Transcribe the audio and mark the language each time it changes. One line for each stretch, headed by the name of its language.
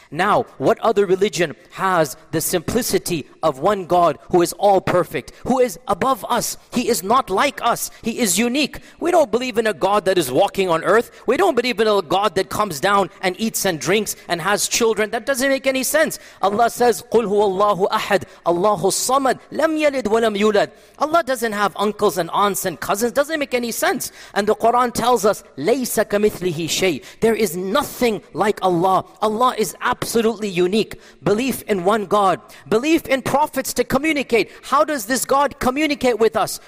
English: Now, what other religion has the simplicity of one God who is all perfect, who is above us? He is not like us. He is unique. We don't believe in a God that is walking on earth. We don't believe in a God that comes down and eats and drinks and has children. That doesn't make any sense. Allah says,
Arabic: قُلْ هُوَ اللَّهُ أَحَدْ اللَّهُ الصَّمَدْ لَمْ يَلِدْ وَلَمْ يُولَدْ.
English: Allah doesn't have uncles and aunts and cousins. Doesn't make any sense. And the Quran tells us,
Arabic: لَيْسَ كَمِثْلِهِ شَيْءٍ.
English: There is nothing like Allah. Allah is absolutely unique. Belief in one God. Belief in prophets to communicate. How does this God communicate with us?